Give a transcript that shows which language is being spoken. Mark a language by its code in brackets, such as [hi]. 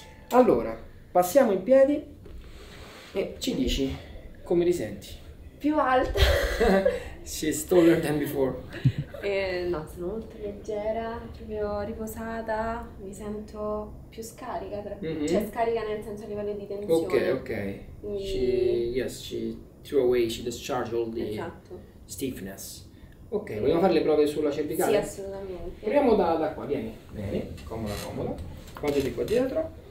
[it] Allora, passiamo in piedi e ci dici come ti senti. Più alta. [en] She's taller than before. [it] No, sono molto leggera, proprio riposata, mi sento più scarica, cioè scarica nel senso a livello di [en] Ok, [it] tensione. [en] she, yes, she threw away, she discharged all the [it] Esatto. stiffness. Ok, vogliamo fare le prove sulla Sì, cervicale? assolutamente. Proviamo da qua, vieni, bene, comoda, comoda, poggiati qua dietro.